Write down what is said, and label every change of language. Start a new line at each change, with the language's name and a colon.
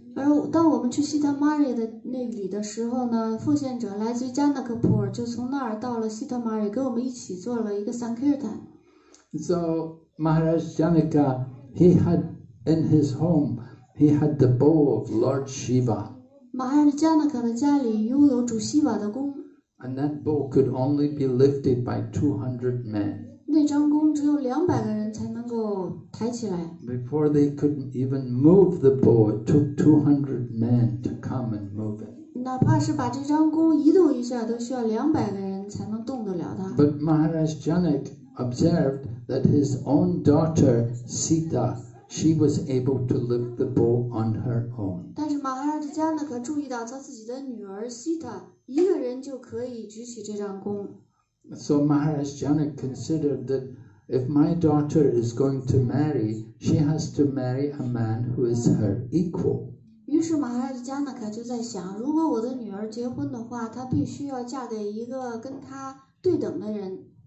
Chinese: 而当我们去 Sitamari 的那里的时候呢，奉献者来自 Janakapur 就从那儿到了 Sitamari， 跟我们一起做了一个 Sankirtan。
English: So. Maharaj Janaka, he had in his home, he had the bow of Lord Shiva.
Chinese: Maharaj Janaka 的家里拥有主 Shiva 的弓。
English: And that bow could only be lifted by 200 men.
Chinese: 那张弓只有200个人才能够抬起来。
English: Before they could even move the bow, it took 200 men to come and move it.
Chinese: 哪怕是把这张弓移动一下，都需要200个人才能动得了它。
English: But Maharaj Janaka observed. That his own daughter Sita, she was able to lift the bow on her own.
Chinese: 但是马哈拉吉加纳可注意到他自己的女儿 Sita 一个人就可以举起这张弓。
English: So Maharaj Janak considered that if my daughter is going to marry, she has to marry a man who is her equal.
Chinese: 于是马哈拉吉加纳可就在想，如果我的女儿结婚的话，她必须要嫁给一个跟她对等的人。